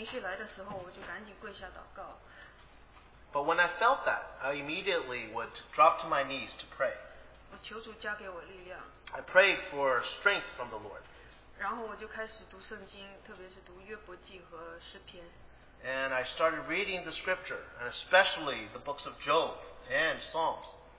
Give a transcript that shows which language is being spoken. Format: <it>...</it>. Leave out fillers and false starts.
<zh>当这种情绪来的时候，我就赶紧跪下祷告。</zh> <en>But when I felt that, I immediately would drop to my knees to pray.</en> <zh>我求主加给我力量。</zh> <en>I prayed for strength from the Lord.</en> <zh>然后我就开始读圣经，特别是读约伯记和诗篇。</zh> <en>And I started reading the scripture, and especially the books of Job and Psalms.</en>